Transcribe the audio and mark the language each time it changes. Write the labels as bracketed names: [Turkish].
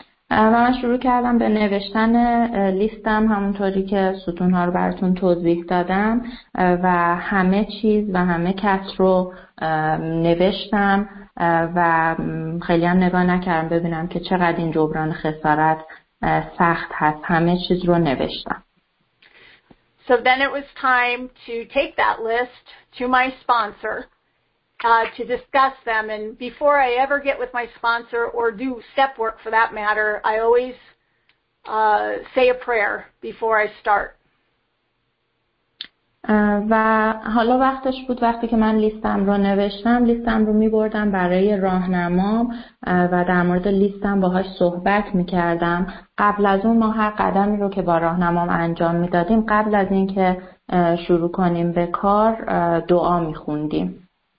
[Persian] من شروع کردم به نوشتن لیستم همونطوری که ستونها رو براتون توضیح دادم و همه چیز و همه کس رو نوشتم و خیلی هم نگاه نکردم ببینم که چقدر این جبران خسارت سخت هست. همه چیز رو نوشتم. [English] So then it was time to take that list to my sponsor to discuss them. And before I ever get with my sponsor or do step work for that matter, I always say a prayer before I start. [Persian] و حالا وقتش بود. وقتی که من لیستم رو نوشتم، لیستم رو می بردم برای راهنمام و در مورد لیستم باهاش صحبت می کردم. قبل از اون ما هر قدمی رو که با راهنمام انجام می دادیم، قبل از این که شروع کنیم به کار، دعا می خوندیم.